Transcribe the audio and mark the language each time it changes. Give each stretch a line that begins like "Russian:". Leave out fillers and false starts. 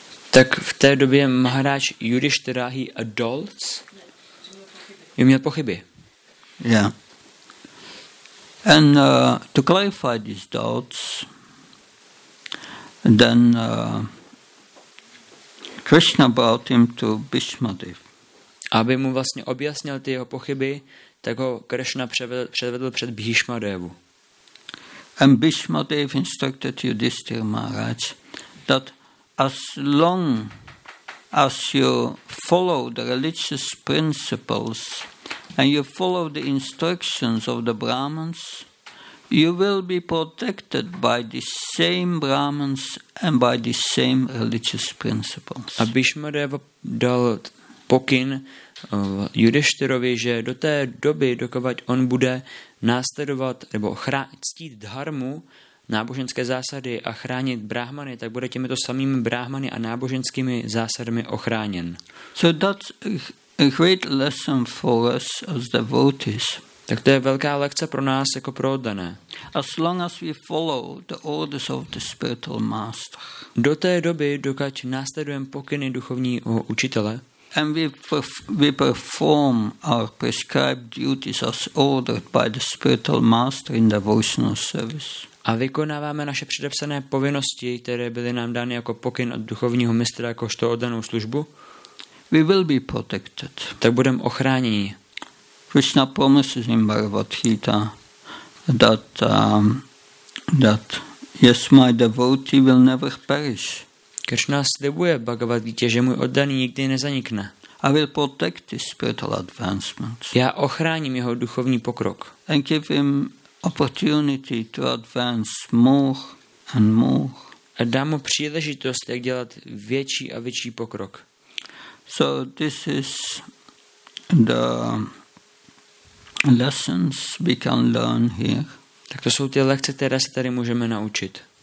Czech: Tak v té době Maharaj Yudhishthir,
English: he had doubts.
Czech: Jo, měl pochyby.
English: Yeah. And to clarify these doubts, then Krishna brought him to Bhishma Dev.
Czech: Aby mu vlastně objasnil ty jeho pochyby, tak ho Krishna předvedl před Bhishma Devu.
English: And Bhishma Dev instructed Yudhishthir Maharaj that as long as you follow the religious principles and you follow the instructions of the Brahmins, you will be protected by the same Brahmins and by the same religious principles.
Czech: A Bhishma Deva dal pokyn Yudhishthirovi, že do té doby, dokud on bude následovat nebo ctít dharmu, náboženské zásady a chránit brahmany, tak bude těmito samými brahmany a náboženskými zásadami ochráněn.
English: So that's a great lesson for us as devotees.
Czech: Tak to je velká lekce pro nás jako pro oddané.
English: As long as we follow the orders of the spiritual master.
Czech: Do té doby, dokud následujeme pokyny duchovního učitele,
English: and we perform our prescribed duties as ordered by the spiritual master in devotional service.
Czech: A vykonáváme naše předepsané povinnosti, které byly nám dány jako pokyn od duchovního mistra jakožto oddanou službu.
English: We will be protected.
Czech: Tak budeme ochráněni.
English: Krishna promises in Bhagavad Gita that that yes, my devotee will never perish.
Czech: Krishna slibuje Bhagavad Gita, že můj oddaný nikdy nezanikne.
English: I will protect his spiritual advancement.
Czech: Já ochráním jeho duchovní pokrok.
English: And give him opportunity to advance more and more.
Czech: A dám mu příležitost, jak dělat větší a větší pokrok.
English: So this is the lessons we can learn here.
Czech: Tak to jsou ty lekce, které se tady můžeme naučit.